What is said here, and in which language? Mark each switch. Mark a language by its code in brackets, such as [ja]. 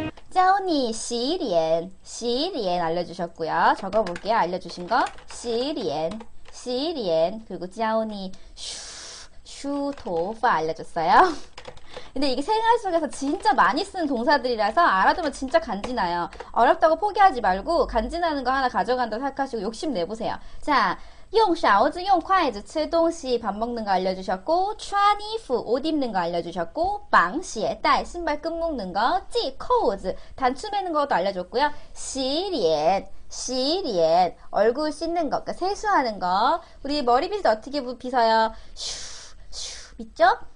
[zh] 教你 洗脸, 洗脸 [ko] 알려주셨고요.적어볼게요. 알려주신 거 [zh] 洗脸, 洗脸. [ko] 그리고 [zh] 教你 梳, 头发 [ko] 알려줬어요. 근데 이게 생활 속에서 진짜 많이 쓰는 동사들이라서 알아두면 진짜 간지나요. 어렵다고 포기하지 말고 간지나는 거 하나 가져간다고 생각하시고 욕심 내보세요. [zh] 자, 用勺子，用筷子吃东西. [ko] 밥 먹는 거 알려주셨고, [zh] 穿衣服 [ko] 옷 입는 거 알려주셨고, [zh] 绑鞋带 [ko] 신발 끈 묶는 거, [zh] 系扣子 [ko] 단추 매는 것도 알려줬고요. [zh] 洗脸, 洗脸 [ko] 얼굴 씻는 거, 그러니까 세수하는 거. 우리 머리빗 어떻게 빗어요? 슈, 슈, 믿죠?